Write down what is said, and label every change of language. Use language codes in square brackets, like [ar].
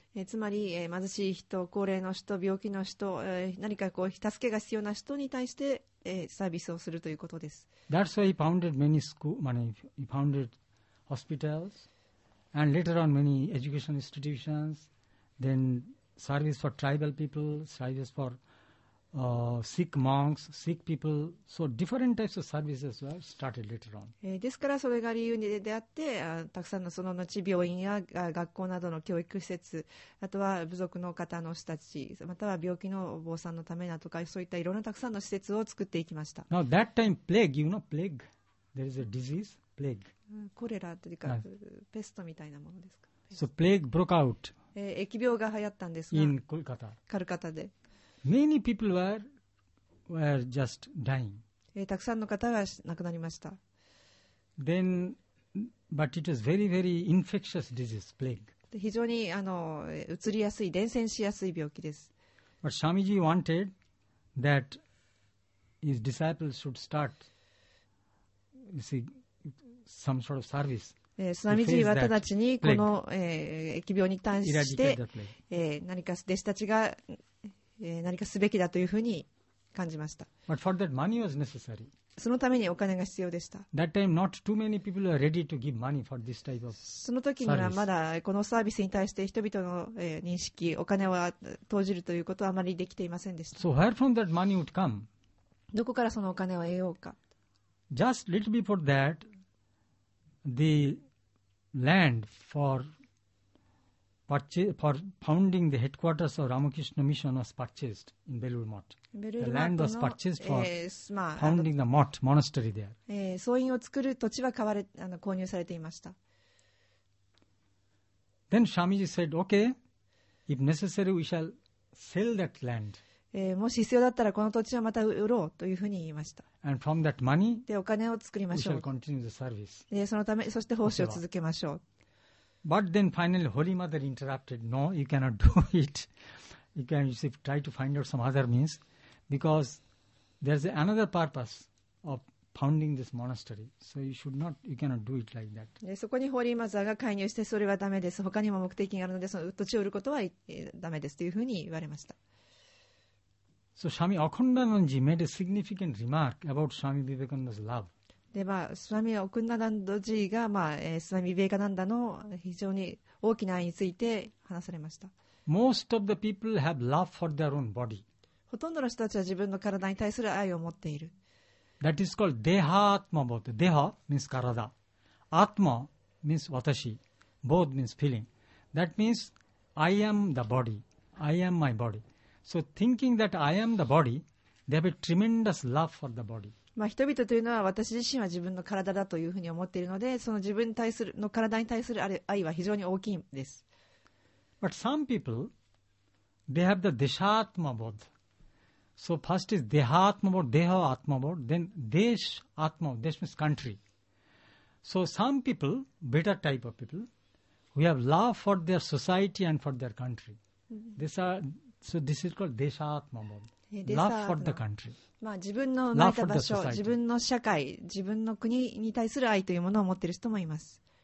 [ja] つまり貧しい人、高齢の人、病気の人、何かこう助けが必要な人に対してサービスをするということです。 [en] That's why he founded many schools, he founded hospitals and later on many education institutions, then service for tribal people, service for sick monks, sick people, so different types of services were started later on. [ja] ですからそれが理由であって、たくさんのその後病院や学校などの教育施設、あとは部族の方の人たち、または病気のお坊さんのためだとか、そういったいろんなたくさんの施設を作っていきました。 [en] Now that time plague, you know plague, there is a disease, plague. [ja] コレラというか、ペストみたいなものですか。 [en] So plague broke out. [ja] 疫病が流行ったんですが、 [en] in Kolkata. [ja] カルカタで。 [en] Many people were just dying. [ja] たくさんの方が亡くなりました。 [en] Then, but it was very, very infectious disease, plague. [ja] 非常にあの移りやすい、伝染しやすい病気です。 [en] But Swamiji wanted that his disciples should start, you see, some sort of service. [ja] スワミジーは直ちにこの、疫病に対して、何か弟子たちが何かすべきだというふうに感じました。 [en] But for that money was necessary. [ja] そのためにお金が必要でした。その時にはまだこのサービスに対して人々の認識、お金を投じるということはあまりできていませんでした。 [en] So where from that money would come? [ja] どこからそのお金を得ようか。 [en] Just little before that, the land for founding the headquarters of Ramakrishna Mission was purchased in Belur Mutt. The land was purchased for founding the Mutt monastery there. [ja] 僧院を作る土地は買われ、購入されていました。 [en] Then Swamiji said, okay, if necessary, we shall sell that land. [ja] もし必要だったらこの土地はまた売ろうというふうに言いました。 [en] And from that money, [ja] でお金を作りましょう。 [en] We shall continue the service. [ja] でそのため、そして奉仕を続けましょう。 [en] But then finally Holy Mother interrupted, No, you cannot do it. You can try to find out some other means because there's another purpose of founding this monastery. So you should not, you cannot do it like that. [ja] でそこにホーリーマザーが介入して、それはダメです、他にも目的があるのでその土地を売ることはダメですというふうに言われました。 [en] So Swami Akhandananji made a significant remark about Swami Vivekananda's love. [ja] では、Swami Akhandananji が、Swami Vivekananda の非常に大きな愛について話されました。 [en] Most of the people have love for their own body. [ja] ほとんどの人たちは自分の体に対する愛を持っている。 [en] That is called Deha Atma Bodh. Deha means 体.Atma means 私.Bodh means feeling. That means I am the body. I am my body. So thinking that I am the body, they have a tremendous love for the body. [ja] まあ人々というのは私自身は自分の体だというふうに思っているので、その自分に対するの体に対する愛は非常に大きいです。 [en] But some people, they have the deshatma bodh. So first is dehatma bodh, deha atma bodh, then desh atma bodh. Desh means country. So some people, better type of people, who have love for their society and for their country. These are So this is called Deshatma Bodh. Love for the country. [ja] まあ自分の生まれた場所、自分の社会、自分の国に対する愛というものを持っている人もいます。